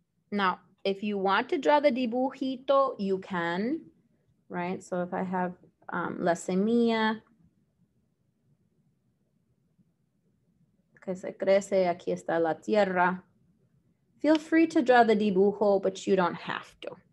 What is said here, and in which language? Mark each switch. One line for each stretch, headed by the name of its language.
English: Now, if you want to draw the dibujito, you can, right? So if I have
Spanish: la semilla, que se crece, aquí está la tierra.
English: Feel free to draw the dibujo, but you don't have to.